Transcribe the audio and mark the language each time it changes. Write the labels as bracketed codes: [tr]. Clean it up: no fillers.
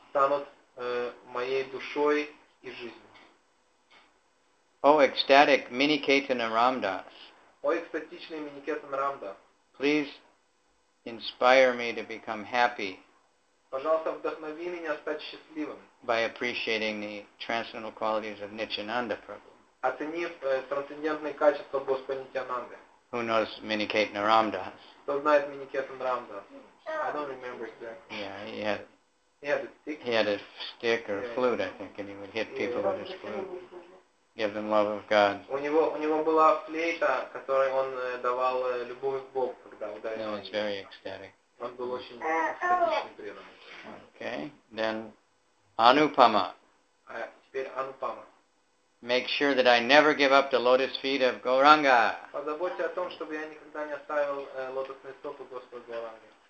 [ru] Станут моей душой и жизнью. [en] O ecstatic Miniketana Ramdas. [ru] О экстатичный Миникетана Рамдас. [en] Please inspire me to become happy. [ru] Пожалуйста, вдохнови меня стать счастливым. [en] By appreciating the transcendental qualities of Nityananda Prabhu. [ru] Оценив трансцендентные качества Господа Нитянанды. [en] Who knows Miniketana Ramdas? [ru] Кто знает Миникетана Рамдас? [en] I don't remember exactly. Yeah, he had. He had a stick or a flute, I think, and he would hit people with his flute. Give them love of God. [ru] У него была флейта, которой он давал любовь к Богу, когда ударил. [en] No, it's very ecstatic. [ru] Он был очень экстатичный преданный. [en] Okay, then Anupama. [ru] Теперь Anupama. [en] Make sure that I never give up the lotus feet of Gauranga. [ru] Позаботься о том, чтобы я никогда не оставил лотосные стопы Господа Гауранги.